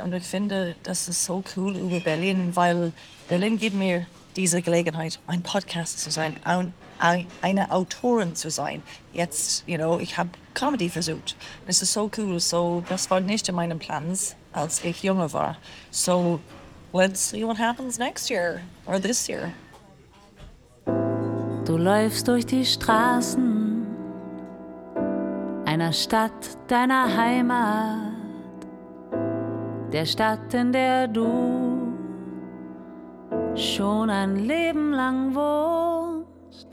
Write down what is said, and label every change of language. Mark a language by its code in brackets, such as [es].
[de] Und ich finde, das ist so cool über Berlin, weil Berlin gibt mir diese Gelegenheit, ein Podcaster zu sein, eine Autorin zu sein. Jetzt, [en] you know, [de] ich habe Comedy versucht. Das ist so cool. So, das war nicht in meinen Plans, als ich jünger war. [en] So, let's see what happens next year or this year. [de] Du läufst durch die Straßen einer Stadt, deiner Heimat, der Stadt, in der du schon ein Leben lang wohnst.